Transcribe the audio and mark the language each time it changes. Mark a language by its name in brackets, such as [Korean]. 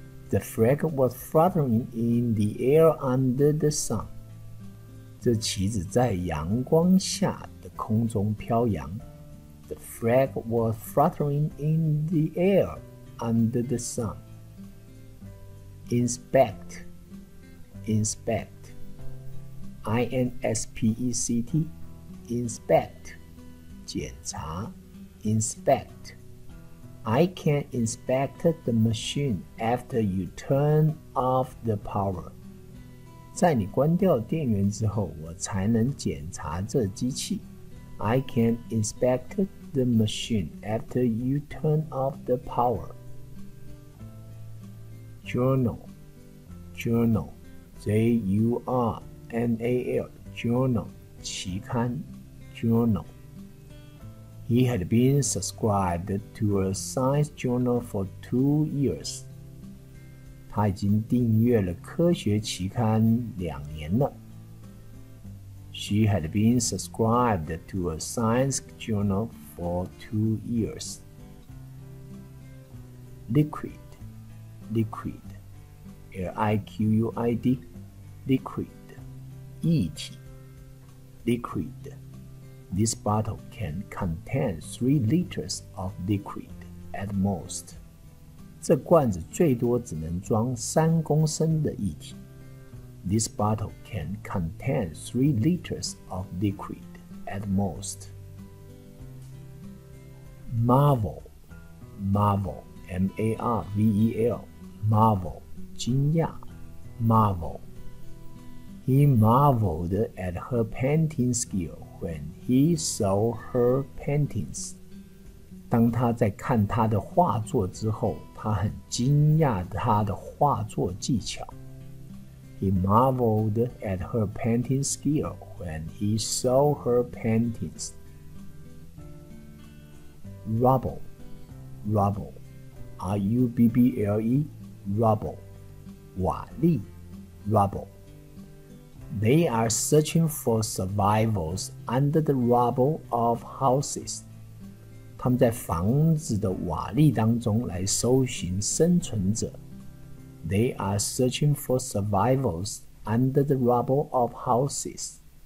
[English] The flag was fluttering in the air under the sun. [Chinese] 这旗子在阳光下的空中飘扬。 [English] The flag was fluttering in the air under the sun. Inspect, inspect, I-N-S-P-E-C-T, inspect, 检查 inspect. I can inspect the machine after you turn off the power. [Chinese] 在你关掉电源之后，我才能检查这机器。 [English] I can inspect the machine after you turn off the power. journal, journal, J-U-R-N-A-L, journal, 期刊 journal. He had been subscribed to a science journal for 2 years. [Chinese] 他已经订阅了科学期刊两年了。 [English] She had been subscribed to a science journal for 2 years. Liquid, liquid, L-I-Q-U-I-D, liquid, 液体 liquid. This bottle can contain 3 liters of liquid at most. [Chinese] 这罐子最多只能装3公升的液体。 [English] This bottle can contain 3 liters of liquid at most. Marvel, marvel, M-A-R-V-E-L, marvel, 惊讶 marvel. He marveled at her painting skill when he saw her paintings. [Chinese] 当他在看她的画作之后，他很惊讶她的画作技巧。 [English] He marveled at her painting skill when he saw her paintings. Rubble, rubble, R-U-B-B-L-E, rubble, 瓦砾 rubble. They are searching for survivals under the rubble of houses. [Chinese] 他们在房子的瓦砾当中来搜寻生存者。 [English] They are searching for survivals under the rubble of houses.